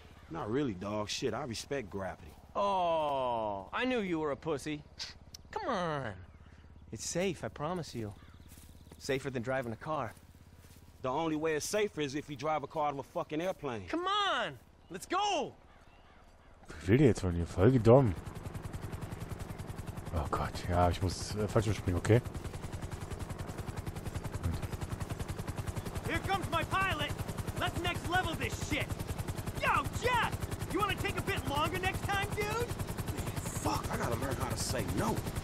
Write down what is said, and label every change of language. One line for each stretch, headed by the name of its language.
English: Not really, dog. Shit, I respect gravity. Oh, I knew you were a pussy. Come on. It's safe, I promise you. Safer than driving a car. The only way it's safer is if you drive a car out of a fucking airplane. Come on, let's go.
German: Was will der jetzt von dir? Voll gedommen. Oh Gott, ja, ich muss falsch überspringen, okay?
English: Here comes my pilot. Let's next level this shit. Yo, Jeff! You wanna take a bit longer next time, dude? Man, fuck, I gotta learn how to say no.